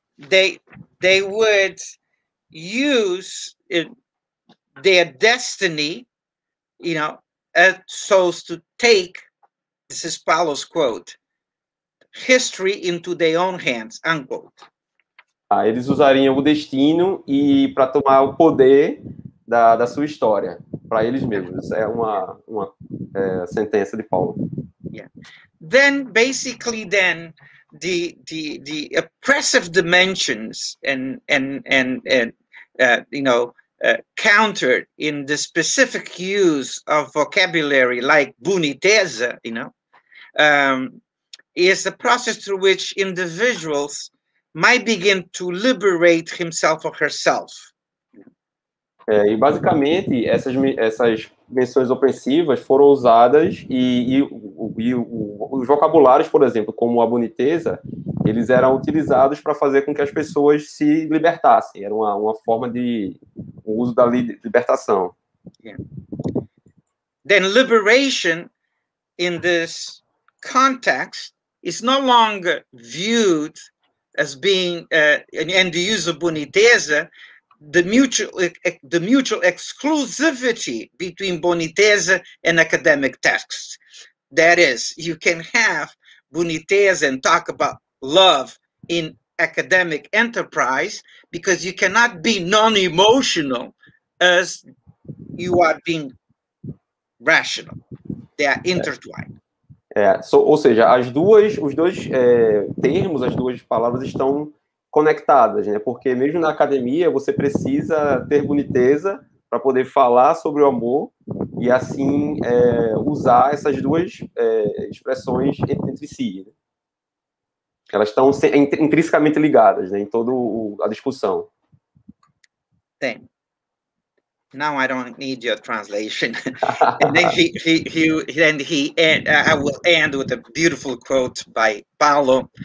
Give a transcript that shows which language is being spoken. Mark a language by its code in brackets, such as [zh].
[en] That they would use their destiny, you know, so as to take, this is Paulo's quote, history into their own hands, unquote. [pt] Eles usariam o destino e para tomar o poder da sua história para eles mesmos. Isso é uma sentença de Paulo. [en] Yeah. Then basically then the oppressive dimensions countered in the specific use of vocabulary like boniteza, you know, is the process through which individuals might begin to liberate himself or herself. [pt] E basicamente essas menções ofensivas foram usadas e os vocabulários, por exemplo, como a boniteza, eles eram utilizados para fazer com que as pessoas se libertassem. Era uma forma de uso da libertação. [en] Yeah. Then liberation in this context is no longer viewed as being and the use of boniteza, the mutual exclusivity between boniteza and academic texts. That is, you can have boniteza and talk about love in academic enterprise because you cannot be non-emotional as you are being rational. They are intertwined. [pt] Ou seja, os dois termos, as duas palavras estão conectadas, né? Porque mesmo na academia você precisa ter boniteza para poder falar sobre o amor e assim usar essas duas expressões entre si. Né? Elas estão intrinsecamente ligadas, né? Em toda a discussão. Sim. [en] Now I don't need your translation. And then he I will end with a beautiful quote by Paulo.